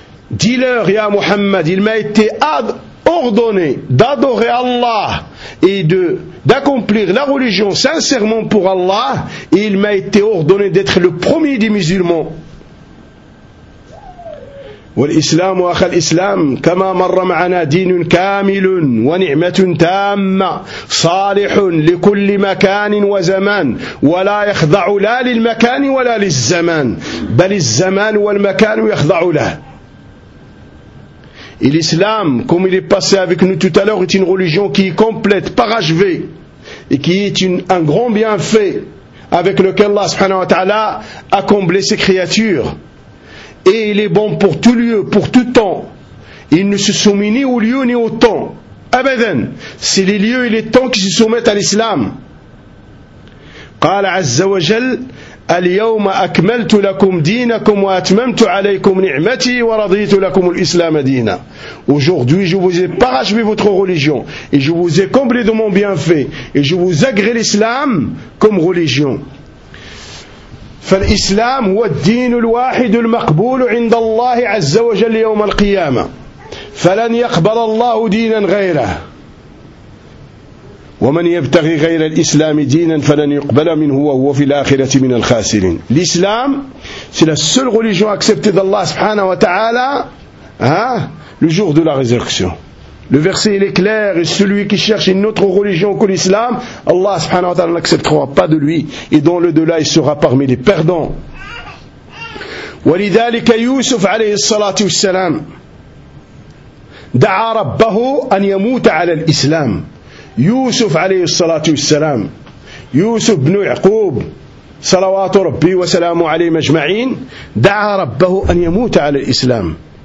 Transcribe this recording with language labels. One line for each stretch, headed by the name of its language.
French: Dis-leur, ya Muhammad, il m'a été ordonné d'adorer Allah et d'accomplir la religion sincèrement pour Allah. Et il m'a été ordonné d'être le premier des musulmans.
Arabic: والإسلام أخى الإسلام كما مر معنا دين كامل ونعمة تامة صالح لكل مكان وزمان ولا يخضع لا للمكان ولا للزمان بل الزمان والمكان يخضع له.
French: الإسلام comme il est passé avec nous tout à l'heure est une religion qui est complète, parachevée et qui est un grand bienfait avec lequel Allah subhanahu wa ta'ala a comblé ses créatures. Et il est bon pour tout lieu, pour tout temps. Il ne se soumet ni au lieu ni au temps. Abadan. C'est les lieux et les temps qui se soumettent à l'islam.
Arabic: قال عز وجل اليوم أكملت لكم دينكم وأتممت عليكم نعمتي ورضيت لكم الإسلام دينا.
French: Aujourd'hui, je vous ai parachevé votre religion et je vous ai comblé de mon bienfait et je vous agré l'islam comme religion.
Arabic: فالإسلام هو الدين الواحد المقبول عند الله عز وجل يوم القيامة فلن يقبل الله دينا غيره ومن يبتغي غير الإسلام دينا فلن يقبل منه وهو في الآخرة من الخاسرين.
French: الإسلام c'est la seule religion acceptée d'Allah subhanahu wa ta'ala le jour de la résurrection. Le verset il est clair et celui qui cherche une autre religion que l'islam, Allah subhanahu wa ta'ala n'acceptera pas de lui et dans le delà il sera parmi les perdants.
Arabic: ولذلك يوسف عليه الصلاة والسلام دعا ربه أن يموت على الإسلام. يوسف عليه الصلاة والسلام يوسف بن يعقوب صلوات ربي وسلامه عليه مجمعين دعا ربه أن يموت على الإسلام.